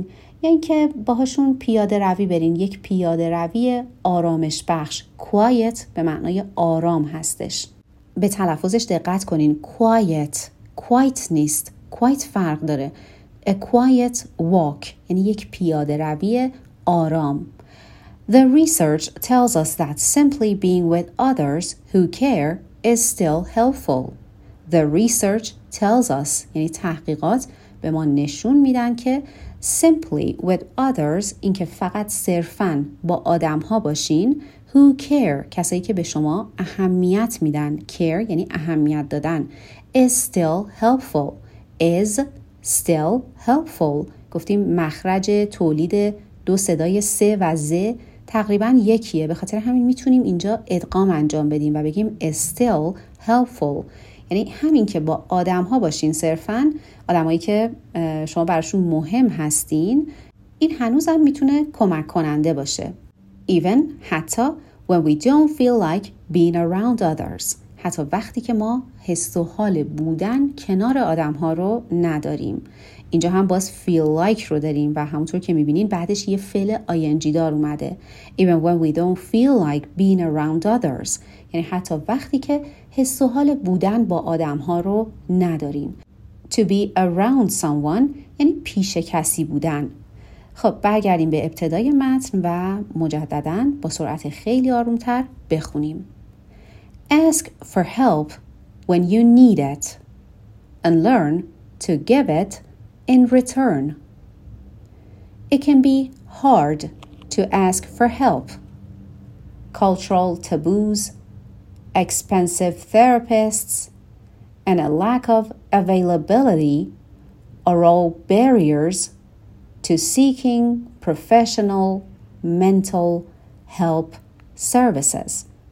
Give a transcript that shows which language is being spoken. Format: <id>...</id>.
<fa>یا یعنی اینکه باهاشون پیاده روی برین. یک پیاده روی آرامش بخش. Quiet به معنای آرام هستش. به تلفظش دقت کنین. Quiet. Quiet نیست. Quiet فرق داره.</fa> <en>A quiet walk</en> <fa>یعنی یک پیاده روی آرام.</fa> <en>The research tells us that simply being with others who care is still helpful. The research tells us</en> <fa>یعنی تحقیقات به ما نشون میدن که</fa> <en>simply with others</en> <fa>این که فقط صرفاً با آدم ها باشین</fa> <en>who care</en> <fa>کسایی که به شما اهمیت میدن، care یعنی اهمیت دادن،</fa> <en>is still helpful. Is still helpful.</en> <fa>گفتیم مخرج تولید دو صدای س و ز تقریبا یکیه، به خاطر همین میتونیم اینجا ادغام انجام بدیم و بگیم</fa> <en>still helpful.</en> <fa>یعنی همین که با آدم ها باشین، صرفا آدم هایی که شما براشون مهم هستین، این هنوزم میتونه کمک کننده باشه.</fa> <en>Even</en> <fa>حتی</fa> <en>When we don't feel like being around others.</en> <fa>حتی وقتی که ما حس و حال بودن کنار آدم ها رو نداریم. اینجا هم باز feel like رو داریم و همونطور که میبینین بعدش یه فعل ing دار اومده.</fa> <en>Even when we don't feel like being around others.</en> <fa>یعنی حتی وقتی که حس و حال بودن با آدم ها رو نداریم.</fa> <en>To be around someone</en> <fa>یعنی پیش کسی بودن. خب برگردیم به ابتدای متن و مجدداً با سرعت خیلی آرومتر بخونیم.</fa> <en>Ask for help when you need it and learn to give it in return. It can be hard to ask for help. Cultural taboos, expensive therapists, and a lack of availability are all barriers to seeking professional mental health services.</en>